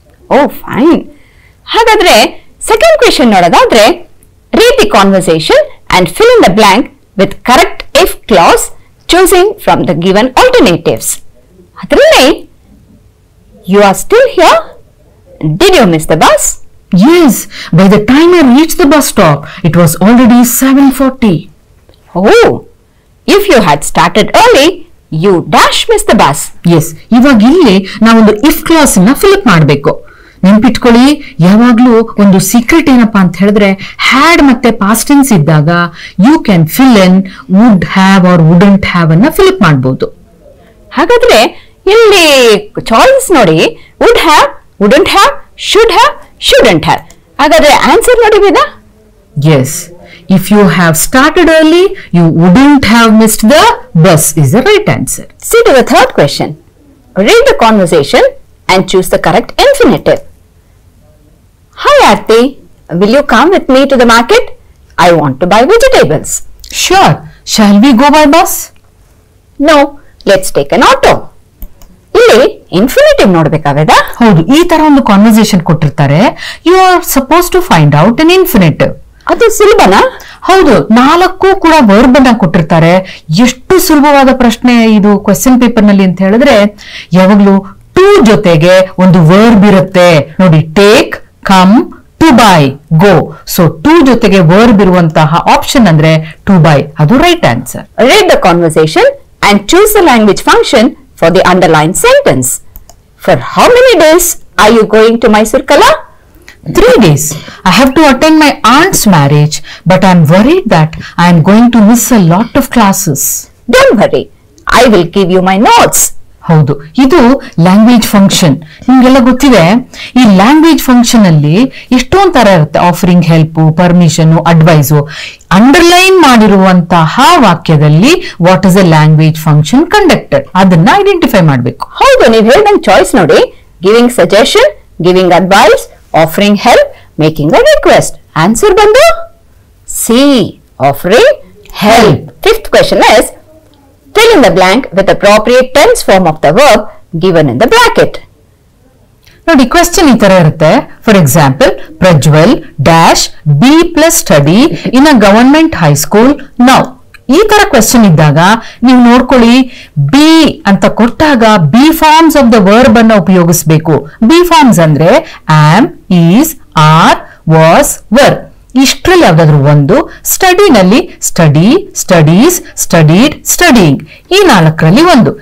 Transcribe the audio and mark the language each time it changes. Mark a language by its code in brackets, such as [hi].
[kn] ಓ fine ಹಾಗಾದ್ರೆ second question ನೋಡೋದಾದ್ರೆ [en] Read the conversation and fill in the blank with correct if clause choosing from the given alternatives ಅದರಲ್ಲಿ you are still here did you miss the bus Yes, by the time I reached the bus stop, it was already 7:40. Oh, if you had started early, you dash missed the bus. [kn] Yes, ಇವಾಗ ಇಲ್ಲಿ ನಾವು ಒಂದು if clause ಅನ್ನ fill up ಮಾಡಬೇಕು ನೆನ್ಪಿಟ್ಕೊಳ್ಳಿ, ಯಾವಾಗ್ಲೂ ಒಂದು secret ಏನಪ್ಪ ಅಂತ ಹೇಳಿದ್ರೆ, ಹ್ಯಾಡ್ ಮತ್ತೆ ಪಾಸ್ಟೆನ್ಸ್ ಇದ್ದಾಗ [en] you can fill in would have or wouldn't have [kn] ಅನ್ನ ಫಿಲ್ ಅಪ್ ಮಾಡಬಹುದು. ಹಾಗಾದ್ರೆ ಇಲ್ಲಿ ಚಾಯ್ಸ್ ನೋಡಿ, would have, wouldn't have, should have, shouldn't have. ಹಾಗಾದ್ರೆ ಆನ್ಸರ್ ನೋಡಿ ವೇದಾ. [en] Yes, if you have started early you wouldn't have missed the bus is the right answer. See to the third question. Read the conversation and choose the correct infinitive. Hi Aarti, will you come with me to the market? I want to buy vegetables. Sure, shall we go by bus? No, let's take an auto. [kn] ಇಲ್ಲಿ infinitive ನೋಡಬೇಕಾಗದ? ಹೌದು, ಈ ತರ ಒಂದು conversation ಕೊಟ್ಟಿರ್ತಾರೆ, [en] You are suppose to find out an infinitive. [kn] ಅದು ಸುಲಭನ? ಹೌದು, ನಾಲ್ಕು ಕೂಡ ವರ್ಬ್ ಅನ್ನ ಕೊಟ್ಟಿರ್ತಾರೆ. ಎಷ್ಟು ಸುಲಭವಾದ ಪ್ರಶ್ನೆ ಇದು ಕ್ವೆಶ್ಚನ್ ಪೇಪರ್ ನಲ್ಲಿ ಅಂತ ಹೇಳಿದ್ರೆ, ಯಾವಾಗ್ಲೂ ಟೂ ಜೊತೆಗೆ ಒಂದು ವರ್ಬ್ ಇರುತ್ತೆ ನೋಡಿ, take, come, to by, go. So two ಜೊತೆಗೆ ವರ್ಬ್ ಇರುವಂತಹ ಆಪ್ಷನ್ ಅಂದ್ರೆ ಟು ಬೈ, ಅದು right answer. [en] Read the conversation and choose the language function for the underline sentence. For how many days are you going to Mysore ಕಲಾ? 3 days. I have to attend my aunt's marriage, but I'm worried that I am going to miss a lot of classes. Don't worry, I will give you my notes. [kn] ಹೌದು, ಇದು language function. ನಿಮ್ಗೆಲ್ಲ ಗೊತ್ತಿದೆ ಈ language function ಅಲ್ಲಿ ಎಷ್ಟೊಂದ್ ತರ ಇರುತ್ತೆ, offering help, permission, advice. Underline ಮಾಡಿರುವಂತಹ ವಾಕ್ಯದಲ್ಲಿ [en] what is a language function conducted, [kn] ಅದನ್ನ ಐಡೆಂಟಿಫೈ ಮಾಡಬೇಕು. ಹೌದು, ನೀವ್ ಹೇಳ್ದಂಗೆ ಚಾಯ್ಸ್ ನೋಡಿ, giving suggestion, giving advice, offering help, making a request. Answer ಬಂದು C, offering help. [en] Fifth question is, fill in the blank with the appropriate tense form of the verb given in the bracket. Now the question is there. For example, Prajwal dash B plus study in a government high school now. [kn] ಈ ತರ question ಇದ್ದಾಗ ನೀವು ನೋಡ್ಕೊಳ್ಳಿ, B ಅಂತ ಕೊಟ್ಟಾಗ B forms of the verb ಅನ್ನ ಉಪಯೋಗಿಸಬೇಕು. B forms ಅಂದ್ರೆ am, is, R, was, var. ಇಷ್ಟರಲ್ಲಿ ಯಾವ್ದಾದ್ರು ಒಂದು. ಸ್ಟಡಿನಲ್ಲಿ ಸ್ಟಡಿ, ಸ್ಟಡೀಸ್, ಸ್ಟಡೀಡ್, ಸ್ಟಡಿಯಿಂಗ್, ಈ ನಾಲ್ಕರಲ್ಲಿ ಒಂದು.